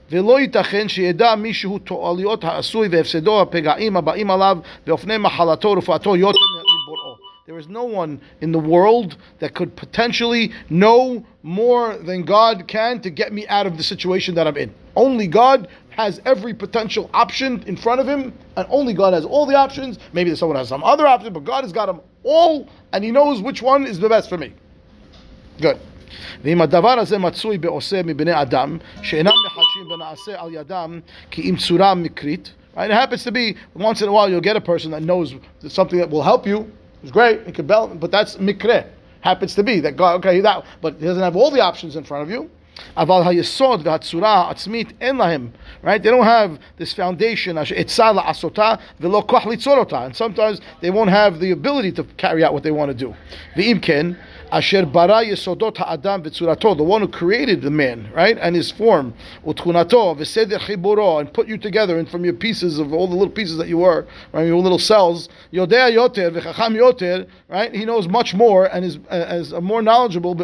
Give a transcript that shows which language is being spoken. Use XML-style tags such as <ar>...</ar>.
<he>ולא ייתכן שידע מישהו תועליות העשוי והפסדו הפגעים הבאים עליו ואופני מחלתו ורפואתו יותר מבוראו.</he> <en>There is no one in the world that could potentially know more than God can to get me out of the situation that I'm in. Only God has every potential option in front of him, and only God has all the options. Maybe someone has some other option, but God has got them all, and he knows which one is the best for me. Good.</en> <he>ואם הדבר הזה מצוי בעושה מבני אדם שאינם מחדשים ונעשה על ידם כי אם צורה מקרית.</he> <en>Right? It happens to be once in a while you'll get a person that knows that something that will help you. It's great, it could help, but that's mikre. Happens to be that God, okay, that, but he doesn't have all the options in front of you.</en> <he>אבל היסוד והצורה העצמית אין להם.</he> <en>Right? They don't have this foundation</en> <he>עצה לעשותה ולא כוח ליצור אותה.</he> <en>And sometimes they won't have the ability to carry out what they want to do.</en> <he>ואם כן, Asher bara yesodot ha'adam v'tzurato,</he> <en>the one who created the man, right, and his form,</en> <he>utchunato v'seder chiburo,</he> <en>and put you together and from your pieces of all the little pieces that you were, right, your little cells,</en> <he>yodea yoter v'chacham yoter,</he> <en>right, he knows much more and is more knowledgeable.</en>